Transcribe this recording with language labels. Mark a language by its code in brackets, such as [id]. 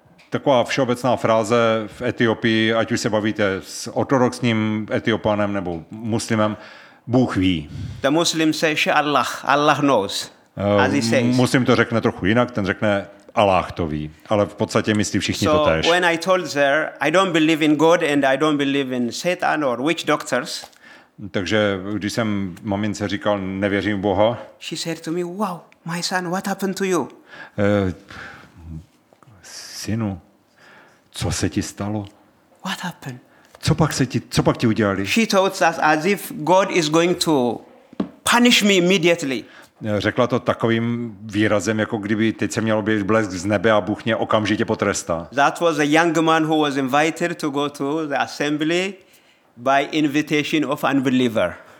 [cs] Taková všeobecná fráze v Etiopii, ať už se bavíte s ortodoxním Etiopanem nebo muslimem, Bůh ví. [en] The Muslim says Allah, Allah knows, as he says. [cs] Muslim to řekne trochu jinak, ten řekne Allah to ví, ale v podstatě myslí všichni to též. [en] So when I told there, I don't believe in God and I don't believe in Satan or witch doctors. [cs] Takže když jsem mamince říkal, nevěřím Boha. [en] She said to me, wow, my son, what happened to you? [cs] Synu, co se ti stalo? [en] What happened? [cs] Co pak ti udělali? [en] She told us as if God is going to punish me immediately. [cs] Řekla to takovým výrazem, jako kdyby teď se měl objevit blesk z nebe a Bůh mě okamžitě potrestá. [en] That was a young man who was invited to go to the assembly by invitation of unbeliever.